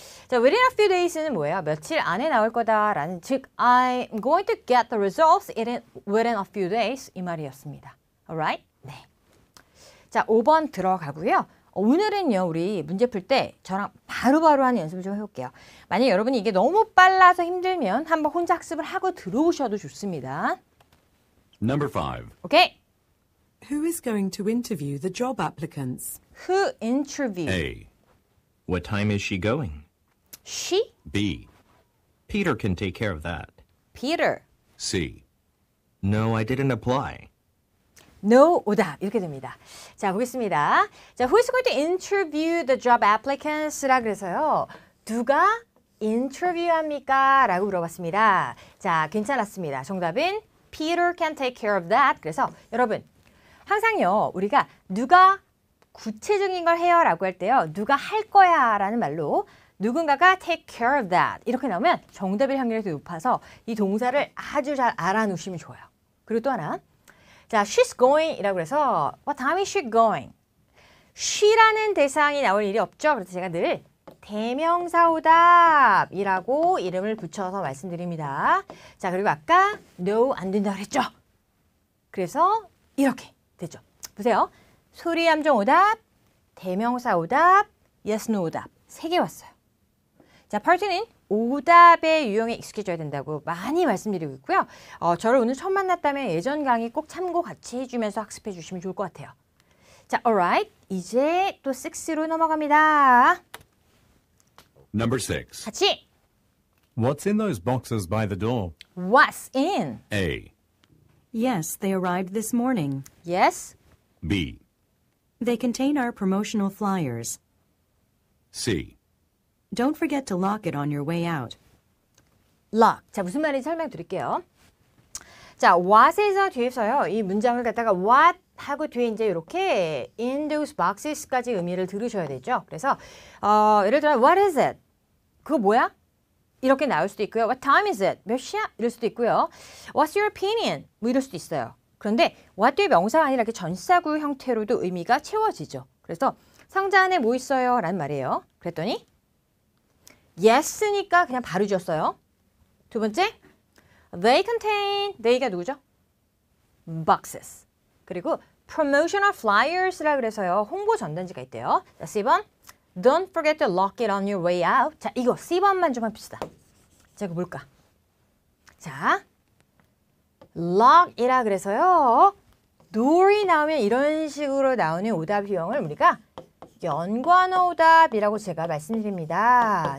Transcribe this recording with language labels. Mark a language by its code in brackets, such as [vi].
[en] 자, within a few days는 뭐예요? [ko] 며칠 안에 나올 거다라는 즉 [en] I'm going to get the results within a few days [ko] 이 말이었습니다. [en] Alright? 네. [ko] 자, 5번 들어가고요. 오늘은요, 우리 문제 풀 때 저랑 바로바로 하는 연습을 좀 해볼게요. 만약 여러분이 이게 너무 빨라서 힘들면 한번 혼자 학습을 하고 들어오셔도 좋습니다. [en] Number 5. [ko] 오케이. [en] Who is going to interview the job applicants? Who interview? A. What time is she going? She? B. Peter can take care of that. Peter. C. No, I didn't apply. [ko] No, 오답. 이렇게 됩니다. 자, 보겠습니다. [en] 자, who is going to interview the job applicants? [ko] 라 그래서요. 누가 interview 합니까? 라고 물어봤습니다. 자, 괜찮았습니다. 정답은 [en] Peter can take care of that. [ko] 그래서 여러분, 항상요, 우리가 누가 구체적인 걸 해요? 라고 할 때요. 누가 할 거야? 라는 말로 누군가가 [en] take care of that. [ko] 이렇게 나오면 정답일 확률이 높아서 이 동사를 아주 잘 알아놓으시면 좋아요. 그리고 또 하나. [en] 자, she's going [ko] 이라고 해서 [en] what time is she going? [ko] she라는 대상이 나올 일이 없죠. 그래서 제가 늘 대명사 오답이라고 이름을 붙여서 말씀드립니다. 자, 그리고 아까 no 안 된다 그랬죠. 그래서 이렇게 됐죠. 보세요. 소리 함정 오답, 대명사 오답, yes, no 오답. 세 개 왔어요. 자, 파트는 오답의 유형에 익숙해져야 된다고 많이 말씀드리고 있고요. 저를 오늘 처음 만났다면 예전 강의 꼭 참고 같이 해주면서 학습해 주시면 좋을 것 같아요. 자, alright. 이제 또 6로 넘어갑니다. [en] Number 6. [ko] 같이. [en] What's in those boxes by the door? What's in? A. Yes, they arrived this morning. Yes. B. They contain our promotional flyers. C. Don't forget to lock it on your way out. Lock. [ko] 자, 무슨 말인지 설명드릴게요. 자, what에서 뒤에서요. 이 문장을 갖다가 what 하고 뒤에 이제 이렇게 in those boxes까지 의미를 들으셔야 되죠. 그래서 예를 들어 [en] what is it? [ko] 그거 뭐야? 이렇게 나올 수도 있고요. [en] What time is it? [ko] 몇 시야? 이럴 수도 있고요. [en] What's your opinion? [ko] 뭐 이럴 수도 있어요. 그런데 what 뒤에 명사가 아니라 이렇게 전사구 형태로도 의미가 채워지죠. 그래서 상자 안에 뭐 있어요? 라는 말이에요. 그랬더니 yes니까 그냥 바로 지었어요. 두 번째, they contain, they가 누구죠? boxes. 그리고 promotional flyers라 그래서요. 홍보 전단지가 있대요. 자, C번, [en] don't forget to lock it on your way out. [ko] 자, 이거 C번만 좀 합시다. 자, 이거 뭘까? 자, lock이라 그래서요. door이 나오면 이런 식으로 나오는 오답 유형을 우리가 연관어 오답이라고 제가 말씀드립니다.